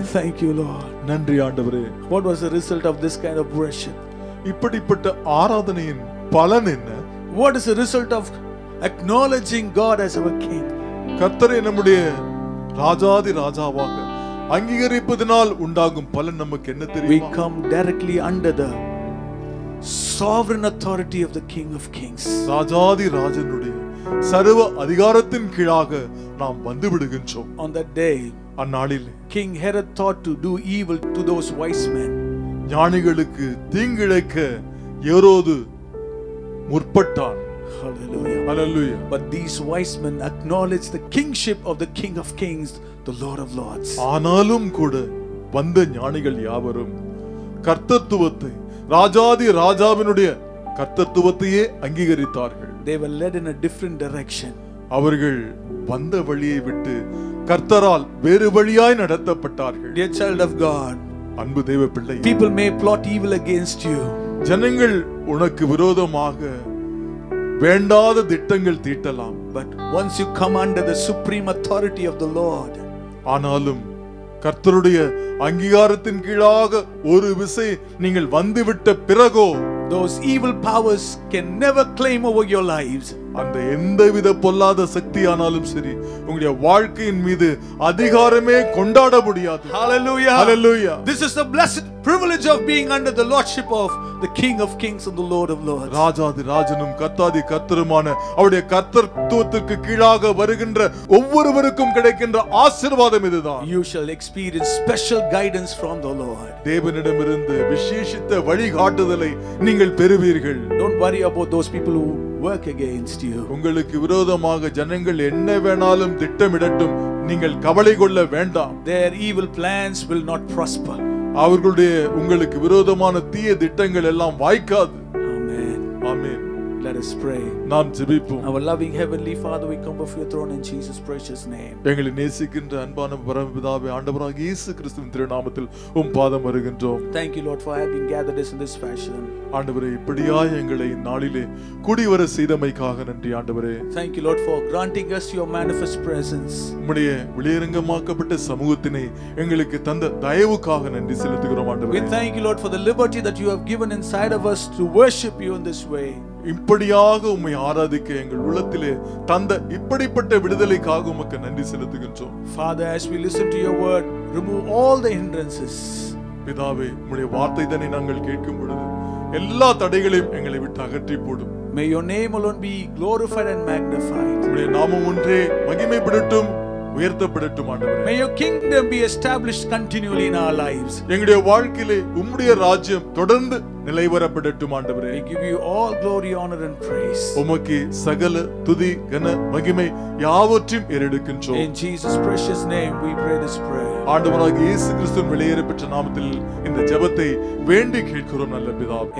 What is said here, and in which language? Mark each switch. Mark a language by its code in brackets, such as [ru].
[en] What was the result of this kind of worship? [ta] இப்படிப்பட்ட ஆராதனையின் பலன் என்ன? [en] What is the result of acknowledging God as our king? [ta] கர்த்தரே நம்முடைய ராஜாதி ராஜாவாக அங்கீகரிப்பதினால் உண்டாகும் பலன் நமக்கு என்ன தெரியும்? [en] We come directly under the sovereign authority of the king of kings. [ta] ராஜாதி ராஜனுடைய சர்வ அதிகாரத்தின் கீழாக நாம் வந்து விடுகின்றோம். [en] On that day, [ta] அந்நாளில் [en] King Herod thought to do evil to those wise men. [ta] ஞானிகளுக்கு தீங்கிழைக்க ஏரோது முற்பட்டான். [en] Hallelujah. Hallelujah. But these wise men acknowledged the kingship of the King of Kings, the Lord of Lords. [ta] ஆனாலும் கூட வந்த ஞானிகள் யாவரும் கர்த்தத்துவத்தை ராஜாதி ராஜாவினுடைய கர்த்தத்துவத்தையே அங்கீகரித்தார்கள். [en] They were led in a different direction. [ta] அவர்கள் வந்த வழியை விட்டு கர்த்தரால் வேறு வழியாய் நடத்தப்பட்டார்கள். [en] Dear child of God, [ta] அன்பு தேவ பிள்ளை, [en] people may plot evil against you. [ta] ஜனங்கள் உனக்கு விரோதமாக வேண்டாத திட்டங்கள் தீட்டலாம். [en] But once you come under the supreme authority of the Lord, [ta] ஆனாலும் கர்த்தருடைய அங்கீகாரத்தின் கீழாக ஒரு விசை நீங்கள் வந்துவிட்ட பிறகோ, [en] those evil powers can never claim over your lives. [ta] அந்த எந்தவித பொல்லாத சக்தியானாலும் சரி உங்களுடைய வாழ்க்கையின் மீது அதிகாரமே கொண்டாட முடியாது. [en] Hallelujah. Hallelujah. This is the blessed privilege of being under the lordship of the King of Kings and the Lord of Lords. [ta] ராஜாதி ராஜனும் கர்த்தாதி கர்த்தருமான அவருடைய கர்த்தத்துவத்திற்கு கீழாக வருகின்ற ஒவ்வொருவருக்கும் கிடைக்கின்ற ஆசீர்வாதம் இதுதான். [en] You shall experience special guidance from the Lord. [ta] தேவனிடமிருந்து விசேஷித்த வழிகாட்டுதலை நீங்கள் பெறுவீர்கள். [en] Don't worry about those people who work against you. [ta] உங்களுக்கு விரோதமாக ஜனங்கள் என்ன வேணாலும் திட்டமிடட்டும், நீங்கள் கவலை கொள்ள வேண்டாம். [en] Their evil plans will not prosper. [ta] அவர்களுடைய உங்களுக்கு விரோதமான தீய திட்டங்கள் எல்லாம் வாய்க்காது. [en] Amen. Amen. Let us pray. [ta] நாம் ஜெபிப்போம். [en] Our loving heavenly Father, we come before your throne in Jesus precious name. [ta] எங்களை நேசிக்கின்ற அன்பான பரமபிதாவே, ஆண்டவராகிய இயேசு கிறிஸ்துவின் திருநாமத்தில் உம் பாதம் வருகின்றோம். [en] Thank you Lord for having gathered us in this fashion. [ta] ஆண்டவரே, இப்படியாய் எங்களை நாளிலே குடிவர செய்தமைக்காக நன்றி ஆண்டவரே. [en] Thank you Lord for granting us your manifest presence. [ta] உம்முடைய வெளியரங்கமாக்கப்பட்ட சமூகத்தினை எங்களுக்கு தந்த தயவுக்காக நன்றி செலுத்துகிறோம் ஆண்டவரே. [en] We thank you Lord for the liberty that you have given inside of us to worship you in this way. [ta] இப்படியாக உம்மை ஆராதிக்க எங்கள் உள்ளத்திலே தந்த இப்படிப்பட்ட விடுதலைக்காக உமக்கு நன்றி செலுத்துகின்றோம். [en] Father, as we listen to your word, remove all the hindrances. [ta] பிதாவே, உம்முடைய வார்த்தையை நாங்கள் கேட்கும் பொழுது எல்லா தடைகளையும் எங்களை விட்டு அகற்றி போடும். [en] May your name alone be glorified and magnified. [ta] உம்முடைய நாமம் ஒன்றே மகிமைப்படட்டும், உயர்த்தப்படட்டும் ஆண்டவரே. [en] May your kingdom be established continually in our lives. [ta] எங்களுடைய வாழ்க்கையிலே உம்முடைய ராஜ்யம் தொடர்ந்து நிலைவரப்படட்டும் ஆண்டவரே. [en] We give you all glory, honor and praise. [ta] உமக்கு சகல துதி கன மகிமை யாவற்றையும் ஏறெடுக்கின்றோம். [en] In Jesus precious name we pray this prayer. [ta] ஆண்டவராகிய இயேசு கிறிஸ்துவின் வெளியேறப்பட்ட நாமத்தில் இந்த ஜெபத்தை வேண்டி கேட்கிறோம் நல்ல பிதாவே.